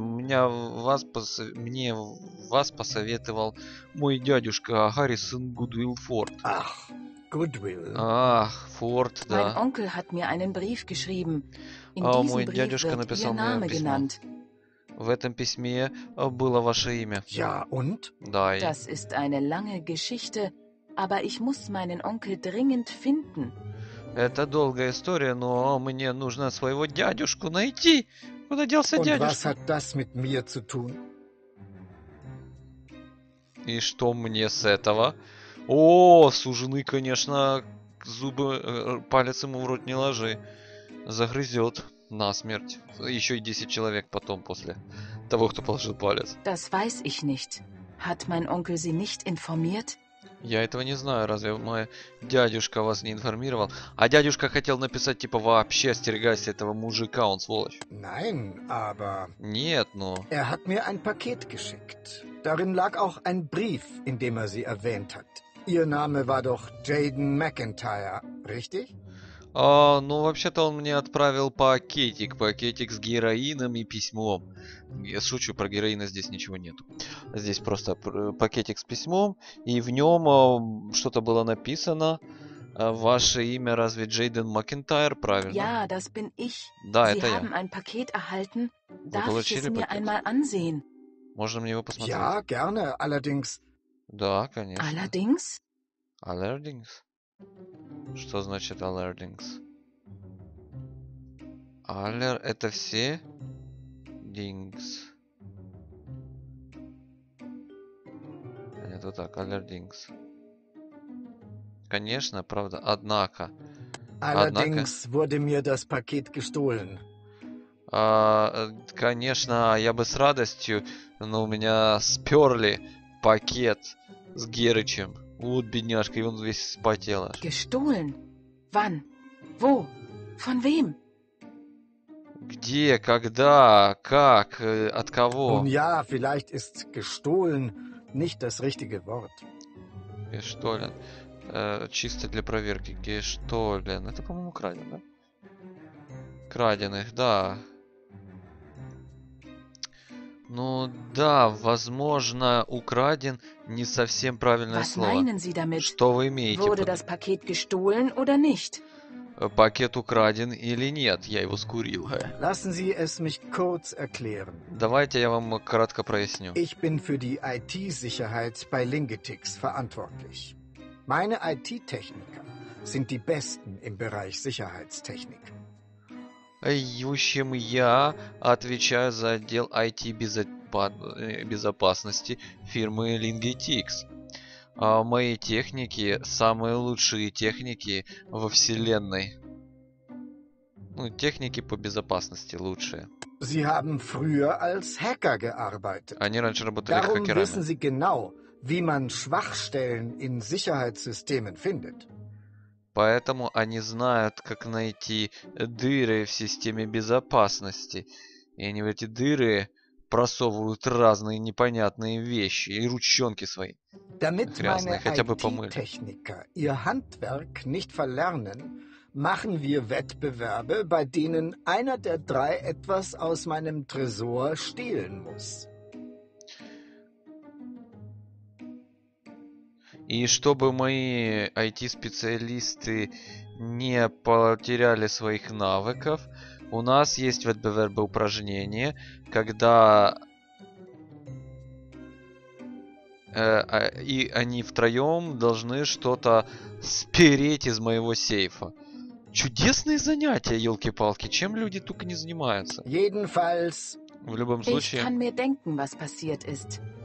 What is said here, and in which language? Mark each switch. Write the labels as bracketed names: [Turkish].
[Russian] Мне вас посоветовал мой дядюшка Харрисон Гудвилл Форд. Ах. [German] Goodwill. [Russian] Ах, Форд, да. [German] Mein Onkel hat mir einen Brief geschrieben. [Russian] Мой дядюшка написал мне письмо. В этом письме было ваше имя. [German] Ja, und? [Russian] Да, и... [German] Das ist eine lange Geschichte, aber ich muss meinen Onkel dringend finden. [Russian] Это долгая история, но мне нужно своего дядюшку найти. Куда делся [German] und [Russian] дядюшка? [German] Was hat das mit mir zu tun? [Russian] И что мне с этого? О, суженый, конечно, зубы, палец ему в рот не ложи. Загрызет насмерть. Еще и 10 человек потом, после того, кто положил палец. [German] Das weiß ich nicht. Hat mein Onkel sie nicht informiert? [Russian] Я этого не знаю, разве мой дядюшка вас не информировал? А дядюшка хотел написать, типа, вообще остерегайся этого мужика, он сволочь. [German] Nein, aber... [Russian] Нет, но... [German] Er hat mir ein Paket geschickt. Darin lag auch ein Brief, in dem er sie erwähnt hat. Ihr Name war doch Jaden McIntyre, richtig? [Russian] А, ну, вообще-то он мне отправил пакетик. Пакетик с героином и письмом. Я шучу, про героина здесь ничего нету. Здесь просто пакетик с письмом. И в нем что-то было написано. Ваше имя разве Джейден Макентайр, правильно? [German] Ja, das bin ich. [Russian] Да, [German] Sie [Russian] это [German] haben [Russian] я. [German] Ein Paket erhalten. Darf [Russian] Вы получили [German] es mir [Russian] пакет? [German] Einmal ansehen? [Russian] Можно мне его посмотреть? [German] Ja, gerne, allerdings. [Russian] Да, конечно. [German] Allerdings? Allerdings? [Russian] Что значит allerdings? Aller это все dings. Это так allerdings. Конечно, правда, однако. [German] Allerdings [Russian] однако, [German] wurde mir das Paket gestohlen. [Russian] А, конечно, я бы с радостью, но у меня спёрли пакет с Герычем. Вот бедняжка, и он весь вспотел. [German] Gestohlen. Wann? Wo? Von wem? [Russian] Где? Когда? Как? От кого? [German] Nun ja, vielleicht ist gestohlen nicht das richtige Wort. [Russian] Gestohlen. Чисто для проверки. Gestohlen. Это, по-моему, краденое, да? Краденых, да. Ну да, возможно, украден не совсем правильное [German] Was [Russian] слово. [German] Meinen Sie damit? [Russian] Что вы имеете? [German] Wurde das Paket gestohlen oder nicht? [Russian] Пакет украден или нет? Я его скурил. [German] Lassen Sie es mich kurz erklären. [Russian] Давайте я вам кратко проясню. [German] Ich bin für die IT-Sicherheit bei Lingetix verantwortlich. Meine IT-Techniker sind die besten im Bereich Sicherheitstechnik. [Russian] В общем, я отвечаю за отдел IT-безопасности фирмы Lingetix. А мои техники – самые лучшие техники во вселенной. Ну, техники по безопасности лучшие. [German] Sie haben früher als Hacker gearbeitet. [Russian] Они раньше работали [German] Darum [Russian] хакерами. [German] Darum wissen Sie genau, wie man Schwachstellen in Sicherheitssystemen findet. [Russian] Поэтому они знают, как найти дыры в системе безопасности. И они в эти дыры просовывают разные непонятные вещи и ручонки свои. [German] Damit [Russian] грязные, [German] meine [Russian] хотя бы помыли. [German] IT-Techniker ihr Handwerk nicht verlernen, machen wir Wettbewerbe, bei denen einer der drei etwas aus meinem Tresor stehlen muss. [Russian] И чтобы мои IT-специалисты не потеряли своих навыков, у нас есть ветбеверба упражнение, когда и они втроем должны что-то спереть из моего сейфа. Чудесные занятия, елки-палки, чем люди только не занимаются. [German] Jedenfalls, [Russian] в любом случае... [German] Ich kann mir denken, was passiert ist.